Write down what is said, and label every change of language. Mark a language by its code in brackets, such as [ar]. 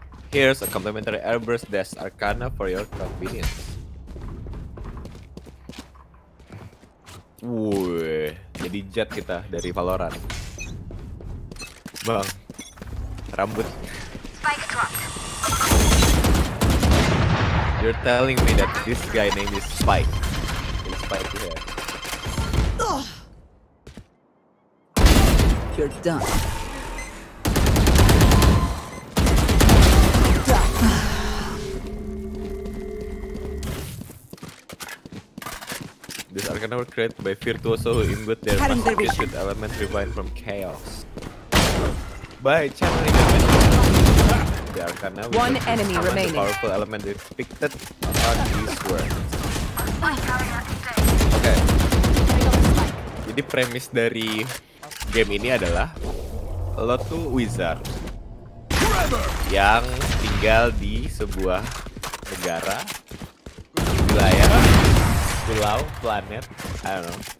[en] Here's a complimentary Airburst Desk Arcana for your convenience. [id] Wuh, jadi jet kita dari Valorant. Bang, rambut. [en] You're telling me that this guy name is Spike. It's Spike here. You're done. This arcana was created by Virtuoso who imbued their masterpiece with element revived from chaos. By channeling the arcana, one enemy remaining. Powerful element depicted upon these words. Okay. [id] Jadi premis dari game ini adalah lo tuh wizard yang tinggal di sebuah negara wilayah. [en] Pulau, planet, I don't know.